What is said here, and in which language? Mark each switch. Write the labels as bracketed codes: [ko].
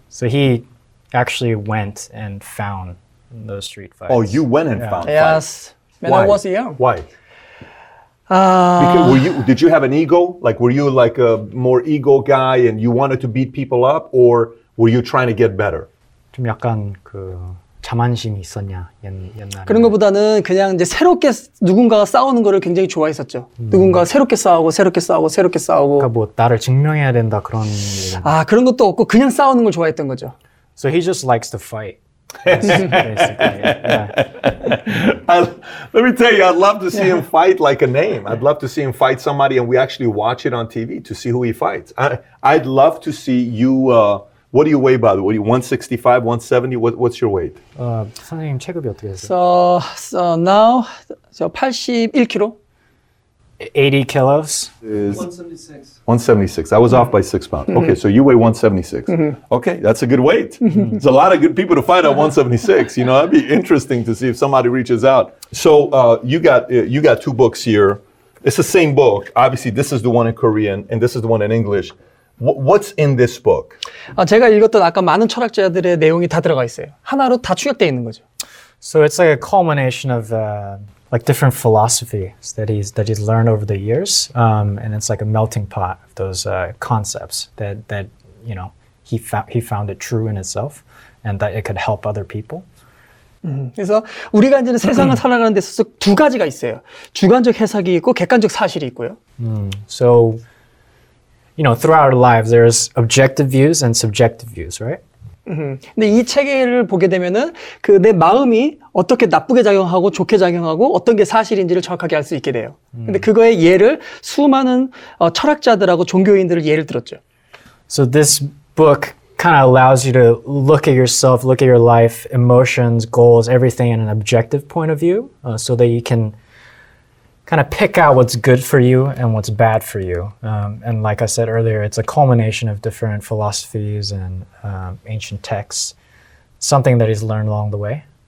[en] So he actually went and found those street fights. Oh, you went and found fights? Yes, when I was young. Why? Because did you have an ego? Like, were you like a more ego guy and you wanted to beat people up, or were you trying to get better? [ko] 좀 약간 그... 자만심이 있었냐 옛날에 그런 것보다는 그냥 이제 새롭게 누군가가 싸우는 거를 굉장히 좋아했었죠. 누군가 새롭게 싸우고 새롭게 싸우고 새롭게 싸우고 그러니까 뭐 나를 증명해야 된다 그런 아 그런 것도 없고 그냥 싸우는 걸 좋아했던 거죠. [en] So he just likes to fight. Basically. Yeah. Let me tell you, I'd love to see him fight like a name. I'd love to see him fight somebody and we actually watch it on TV to see who he fights. I'd love to see you What do you weigh, by the way? 165, 170? What's your weight? [ko] 선생님, 체급이 어떻게 되세요? [en] So now, so 81kg. 80 kilos? Is 176. I was off by 6 pounds. Okay, so you weigh 176. Okay, that's a good weight. There's a lot of good people to fight at 176. You know, that'd be interesting to see if somebody reaches out. So you got two books here. It's the same book. Obviously, this is the one in Korean, and this is the one in English. What's in this book? [ko] 제가 읽었던 아까 많은 철학자들의 내용이 다 들어가 있어요. 하나로 다 축약되어 있는 거죠. [en] So it's like a culmination of like different philosophies that he's learned over the years. And it's like a melting pot of those concepts that you know, he found it true in itself and that it could help other people. [ko] 그래서 우리가 이제 세상을 살아가는 데 있어서 두 가지가 있어요. 주관적 해석이 있고 객관적 사실이 있고요. [en] So You know, throughout our lives, there's objective views and subjective views, right? [ko] 근데 이 책을 보게 되면은 그 내 마음이 어떻게 나쁘게 작용하고 좋게 작용하고 어떤 게 사실인지를 정확하게 알 수 있게 돼요. 근데 그거의 예를 수많은 철학자들하고 종교인들을 예를 들었죠. [en] So this book kind of allows you to look at yourself, look at your life, emotions, goals, everything in an objective point of view, so that you can kind of pick out what's good for you and what's bad for you. And like I said earlier, it's a culmination of different philosophies and ancient texts, something that he's learned along the way.